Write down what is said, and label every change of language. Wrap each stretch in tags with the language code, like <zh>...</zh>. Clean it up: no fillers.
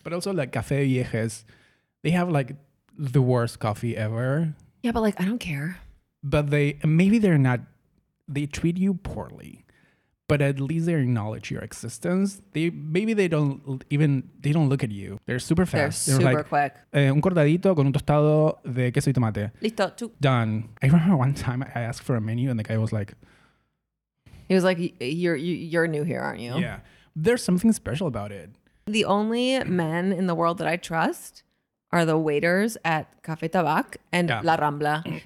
<en>But also like Café Viejes, they have like the worst coffee ever. Yeah, but like I don't care. But they, maybe they're not, they treat you poorly, but at least they acknowledge your existence. They, maybe they don't even, they don't look at you. They're super fast. They're super like, quick.</en> <es>Un cortadito con un tostado de queso y tomate. Listo.</es> <en>Done. I remember one time I asked for a menu and the guy was like. He was like, you're new here, aren't you? Yeah. There's something special about it. The only men in the world that I trust are the waiters at Café Tabac and La Rambla.</en>